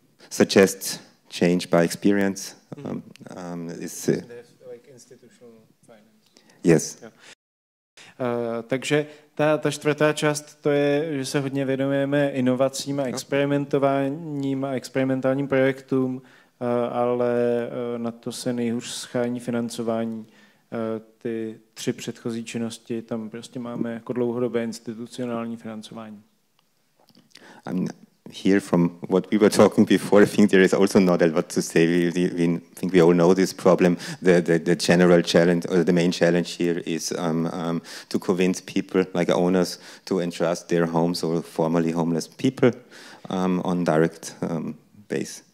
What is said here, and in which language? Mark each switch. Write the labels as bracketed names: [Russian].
[English] suggest change by experience. It's like institutional finance. Yes. [Czech] Takže ta čtvrtá část, to je, že se hodně věnujeme inovacím a experimentováním a experimentálním projektům, ale na to se nejhůř schání financování. Ty tři předchozí činnosti, tam prostě máme jako dlouhodobé institucionální financování. [English] I'm here from what we were talking before, I think there is also not a lot to say. We think we all know this problem. The general challenge, or the main challenge here is to convince people, like owners, to entrust their homes or formerly homeless people on direct base.